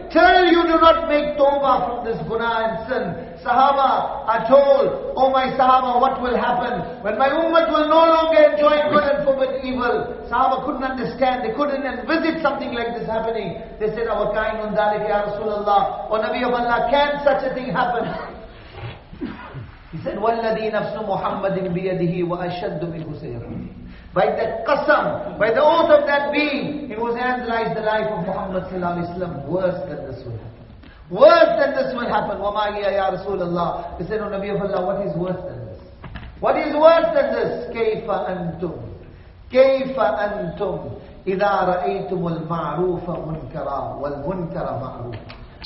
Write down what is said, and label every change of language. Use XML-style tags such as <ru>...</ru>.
<en>Till you do not make tawbah from this guna and sin. Sahaba are told, oh my Sahaba, what will happen when my ummah will no longer enjoy good and forbid evil? Sahaba couldn't understand, they couldn't envisage something like this happening. They said, our kind on dalik ya Rasulullah, O Nabi of Allah, can such a thing happen? He said,</en> <ar>وَالَّذِي نَفْسُ مُحَمَّدٍ بِيَدِهِ وَأَشَدُّ مِنْهُ سَيْرًا.</ar> <en>By the qasam, by the oath of that being, in whose hands lies the life of Muhammad sallallahu alayhi wa sallam, worse than this will happen. Worse than this will happen.</en> <ar>وَمَا هِيَ يَا رَسُولَ اللَّهِ.</ar> <en>He said, O Nabi of Allah, what is worse than this? What is worse than this?</en> <ar>كَيْفَ أَنْتُمْ كَيْفَ أَنْتُمْ إِذَا رَأَيْتُمُ الْمَعْرُوفَ مُنْكَرًا وَالْمُنْكَرَ مَعْرُوفًا.</ar>